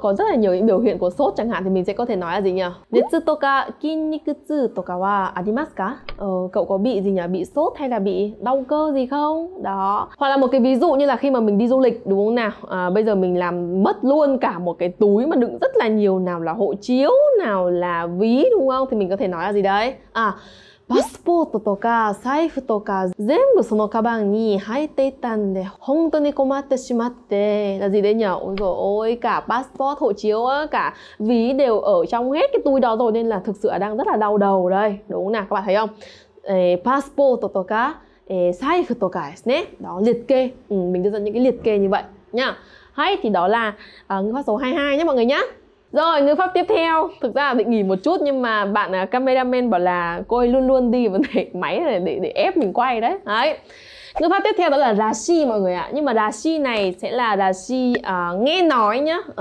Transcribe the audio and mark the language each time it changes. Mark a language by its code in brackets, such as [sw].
[vi] Có rất là nhiều những biểu hiện của sốt chẳng hạn, thì mình sẽ có thể nói là gì nhỉ? [ja] Netsu toka kinnikutsu toka wa arimasu ka? [vi] Cậu có bị gì nhỉ? Bị sốt hay là bị đau cơ gì không? Đó. Hoặc là một cái ví dụ như là khi mà mình đi du lịch đúng không nào? Bây giờ mình làm mất luôn cả một cái túi mà đựng rất là nhiều, nào là hộ chiếu, nào là ví đúng không? Thì mình có thể nói là gì đấy? [ja] Passport とか財布とか全部そのカバンに入っていたんで本当に困ってしまって。 [vi] là gì đấy nhở? Ôi dồi ôi, cả passport, hộ chiếu, cả ví đều ở trong hết cái túi đó rồi, nên là thực sự đang rất là đau đầu đây, đúng không nào? Các bạn thấy không? [ja] Passport とか財布とかですね。 [vi] Đó, liệt kê. Mình đưa ra những cái liệt kê như vậy nhá. Hay thì đó là ngữ pháp số 22 nhé mọi người nhá. Rồi, ngữ pháp tiếp theo. Thực ra là định nghỉ một chút nhưng mà bạn cameraman bảo là cô ấy luôn luôn đi vấn đề máy này để ép mình quay đấy. Đấy. Ngữ pháp tiếp theo đó là rashi mọi người ạ. Nhưng mà rashi này sẽ là rashi nghe nói nhá.